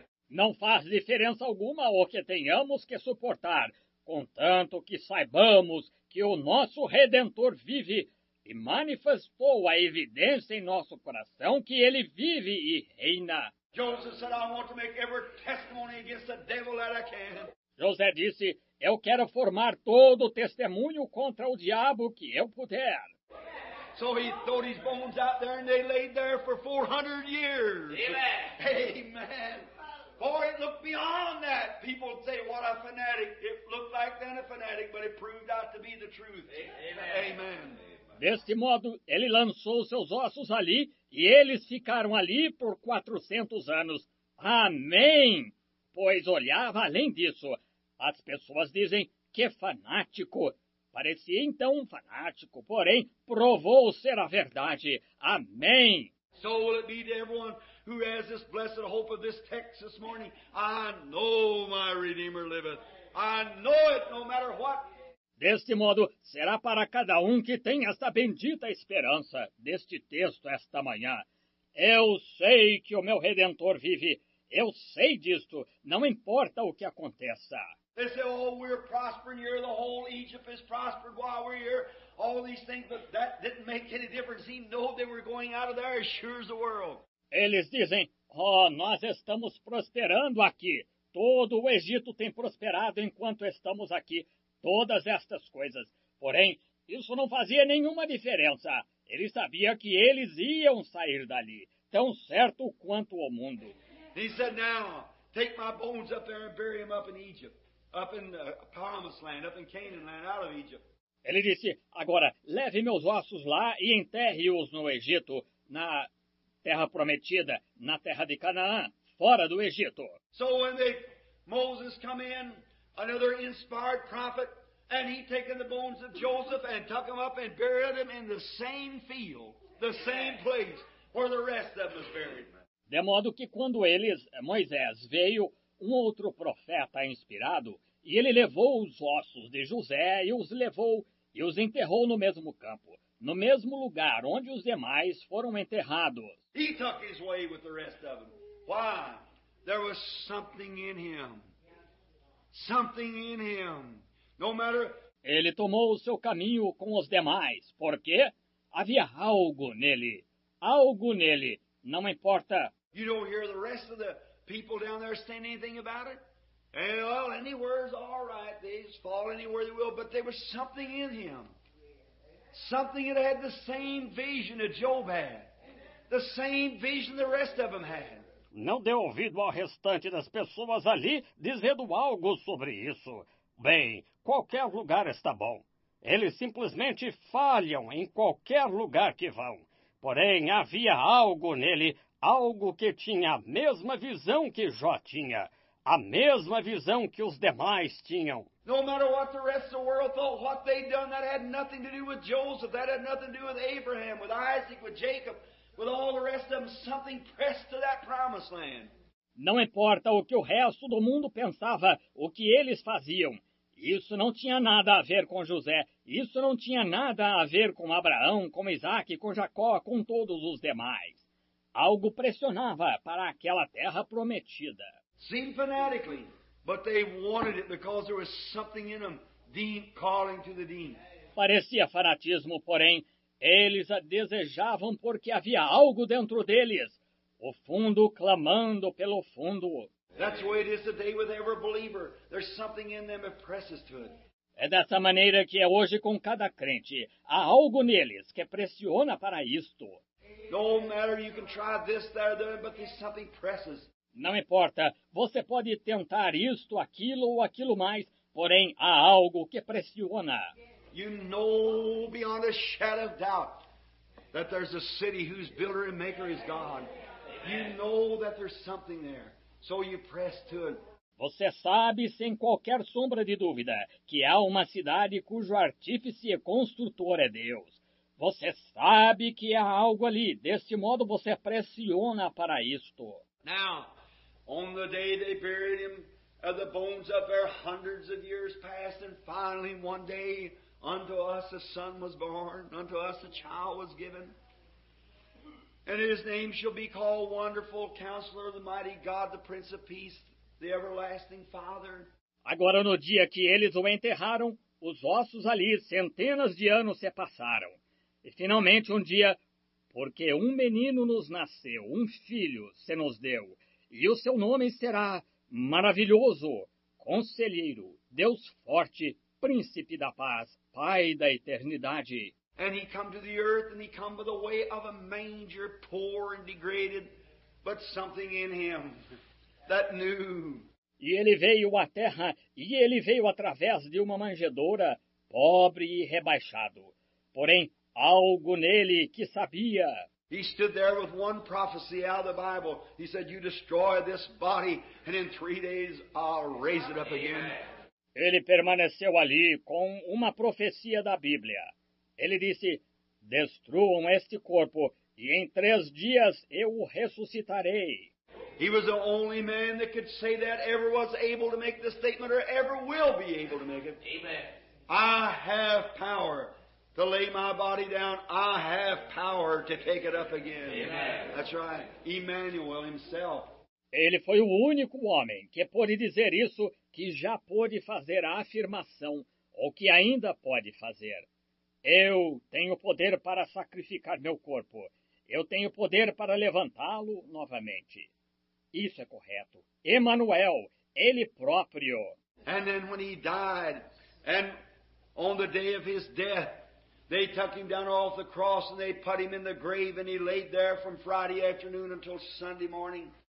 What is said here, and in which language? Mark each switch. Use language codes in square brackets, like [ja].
[pt] Não faz diferença alguma o que tenhamos que suportar, contanto que saibamos que o nosso Redentor vive e manifestou a evidência em nosso coração que Ele vive e reina. [en] Joseph said, I want to make every testimony against the devil that I can. [pt] José disse, eu quero formar todo o testemunho contra o diabo que eu puder. [en] So he threw his bones out there and they laid there for 400 years. Amen. For it looked beyond that. People would say, what a fanatic. It looked like then a fanatic, but it proved out to be the truth. Amen. [pt] Deste modo, ele lançou seus ossos ali e eles ficaram ali por 400 anos. Amém! Pois olhava além disso. As pessoas dizem, que fanático! Parecia então um fanático, porém, provou ser a verdade. Amém! [en] So will it be to everyone who has this blessed hope of this text this morning. I know my Redeemer liveth. I know it no matter what. [pt] Deste modo, será para cada um que tem esta bendita esperança deste texto esta manhã. Eu sei que o meu Redentor vive. Eu sei disto, não importa o que aconteça. [en] They say, oh, we're prospering here, the whole Egypt is prospered while we're here. All these things, but that didn't make any difference. He knew they were going out of there as sure as the world. [pt] Eles dizem, oh, nós estamos prosperando aqui. Todo o Egito tem prosperado enquanto estamos aqui. Todas estas coisas. Porém, isso não fazia nenhuma diferença. Ele sabia que eles iam sair dali, tão certo quanto o mundo. [en] He said, now, take my bones up there and bury them up in Egypt. Up in the promised land, up in Canaan land, out of Egypt. [pt] Ele disse, agora, leve meus ossos lá e enterre-os no Egito, na terra prometida, na terra de Canaã, fora do Egito. [en] So when they, Moses come in, another inspired prophet, and he taken the bones of Joseph and took them up and buried them in the same field, the same place where the rest of them was buried. [pt] De modo que quando eles, Moisés, veio um outro profeta inspirado, e ele levou os ossos de José e os levou e os enterrou no mesmo campo, no mesmo lugar onde os demais foram enterrados. [en] He took his way with the rest of them. Why? There was something in him. Something in him. No matter... [pt] Ele tomou o seu caminho com os demais, porque havia algo nele. Algo nele. Não importa... [en] You don't hear the rest of the people down there saying anything about it? Well, anywhere's all right. They just fall anywhere they will. But there was something in him. Something that had the same vision that Job had. The same vision the rest of them had. [pt] Não deu ouvido ao restante das pessoas ali dizendo algo sobre isso. Bem, qualquer lugar está bom. Eles simplesmente falham em qualquer lugar que vão. Porém, havia algo nele... Algo que tinha a mesma visão que Jó tinha, a mesma visão que os demais tinham. [en] No matter what the rest of the world thought, what they'd done, that had nothing to do with Joseph, that had nothing to do with Abraham, with Isaac, with Jacob, with all the rest of them, something pressed to that promised land. [pt] Não importa o que o resto do mundo pensava, o que eles faziam. Isso não tinha nada a ver com José, isso não tinha nada a ver com Abraão, com Isaac, com Jacó, com todos os demais. Algo pressionava para aquela terra prometida. [en] Seemed fanatically, but they wanted it because there was something in them deep calling to the deep. [pt] Parecia fanatismo, porém, eles a desejavam porque havia algo dentro deles, o fundo clamando pelo fundo. [en] That's the way it is today with every believer. There's something in them that presses to it. [pt] É dessa maneira que é hoje com cada crente. Há algo neles que pressiona para isto. [en] Amen. No matter, you can try this, that, or the other, but there's something presses. [pt] Não importa, você pode tentar isto, aquilo ou aquilo mais, porém há algo que pressiona. [en] You know beyond a shadow of doubt that there's a city whose builder and maker is God. You know that there's something there, so you press to it. [pt] Você sabe, sem qualquer sombra de dúvida, que há uma cidade cujo artífice e construtor é Deus. Você sabe que há algo ali. Deste modo, você pressiona para isto. [en] Now, on the day they buried him, the bones up there, hundreds of years passed, and finally, one day, unto us a son was born, unto us a child was given. And his name shall be called Wonderful Counselor, the Mighty God, the Prince of Peace, the Everlasting Father. [pt] Agora, no dia que eles o enterraram, os ossos ali, centenas de anos se passaram. E finalmente um dia, porque um menino nos nasceu, um filho se nos deu, e o seu nome será Maravilhoso, Conselheiro, Deus Forte, Príncipe da Paz, Pai da Eternidade. [en] And he come to the earth, and he come by the way of a manger, poor and degraded, but something in him that knew. [pt] E ele veio à terra, e ele veio através de uma manjedoura, pobre e rebaixado. Porém, algo nele que sabia. [en] He stood there with one prophecy out of the Bible. He said, you destroy this body, and in 3 days I'll raise it up again. [pt] Ele permaneceu ali com uma profecia da Bíblia. Ele disse, destruam este corpo, e em 3 dias eu o ressuscitarei. [en] He was the only man that could say that, ever was able to make the statement, or ever will be able to make it. Amen. I have power to lay my body down. I have power to take it up again. Amen. That's right. Emmanuel himself. [pt] Ele foi o único homem que pôde dizer isso, que já pôde fazer a afirmação, ou que ainda pode fazer. Eu tenho poder para sacrificar meu corpo. Eu tenho poder para levantá-lo novamente. Isso é correto. Emmanuel, ele próprio. [en] And then when he died, and on the day of his death, they took him down off the cross and they put him in the grave and he laid there from Friday afternoon until Sunday morning.